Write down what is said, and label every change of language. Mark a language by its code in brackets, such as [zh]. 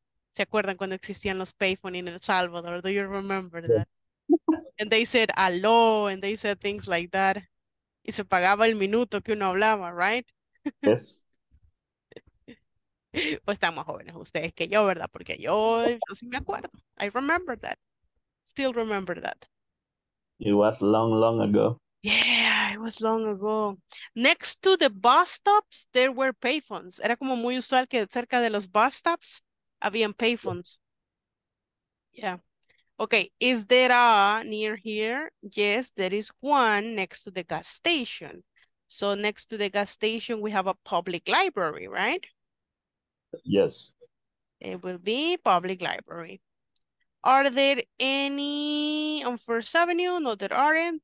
[es] ¿Se acuerdan cuando existían los payphones en El Salvador? [en] Do you remember that? And they said, aló, and they said things like that. [es] Y se pagaba el minuto que uno hablaba, right? [en] Yes. [es] Pues están más jóvenes ustedes que yo, ¿verdad? Porque yo sí me acuerdo. [en] I remember that. Still remember that. It was long, long ago. Yeah, it was long ago. Next to the bus stops, there were payphones. [es] Era como muy usual que cerca de los bus stops habían payphones. [en] Yeah. Okay, is there a near here? Yes, there is one next to the gas station. So next to the gas station, we have a public library, right? Yes. It will be public library. Are there any on First Avenue? No, there aren't.